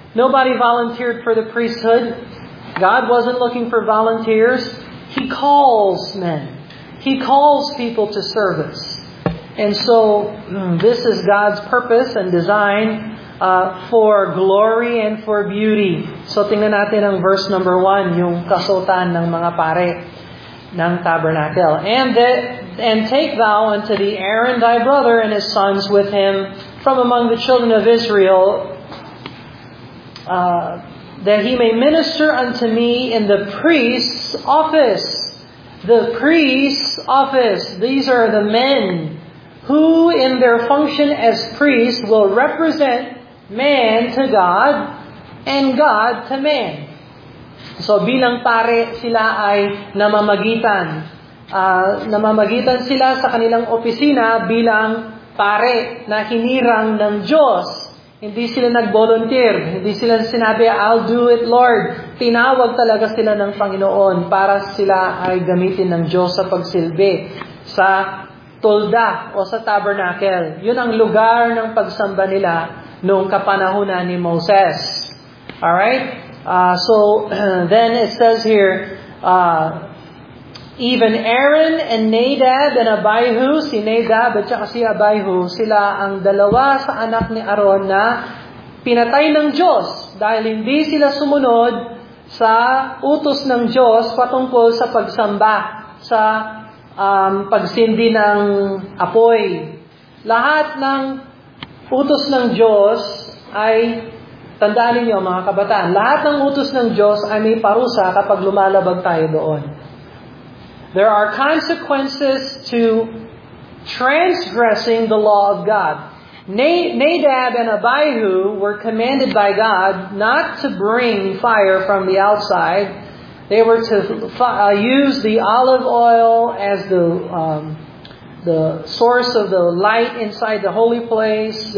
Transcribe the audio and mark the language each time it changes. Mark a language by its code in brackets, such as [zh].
[en] Nobody volunteered for the priesthood. God wasn't looking for volunteers. He calls men. He calls people to service. And so this is God's purpose and design for glory and for beauty. [tl] So tingnan natin ang [en] verse number 1, [tl] yung kasuotan ng mga pare ng tabernacle. [en] And take thou unto thee Aaron thy brother and his sons with him from among the children of Israel, that he may minister unto me in the priest's office. The priest's office. These are the men who in their function as priests will represent man to God and God to man. [tl] So bilang pare, sila ay namamagitan. Namamagitan sila sa kanilang opisina bilang pare na hinirang ng Diyos. Hindi sila nag-volunteer. Hindi sila sinabi, [en] I'll do it, Lord. [tl] Tinawag talaga sila ng Panginoon para sila ay gamitin ng Diyos sa pagsilbi sa tolda o sa tabernacle. Yun ang lugar ng pagsamba nila noong kapanahunan ni Moses. Alright? [en] So, then it says here, even Aaron and Nadab and Abihu, [tl] si Nadab at si Abihu, sila ang dalawa sa anak ni Aaron na pinatay ng Diyos dahil hindi sila sumunod sa utos ng Diyos patungkol sa pagsamba, sa pagsindi ng apoy. Lahat ng utos ng Diyos ay, tandaan ninyo mga kabataan, lahat ng utos ng Diyos ay may parusa kapag lumalabag tayo doon. [en] There are consequences to transgressing the law of God. Nadab and Abihu were commanded by God not to bring fire from the outside. They were to use the olive oil as the source of the light inside the holy place.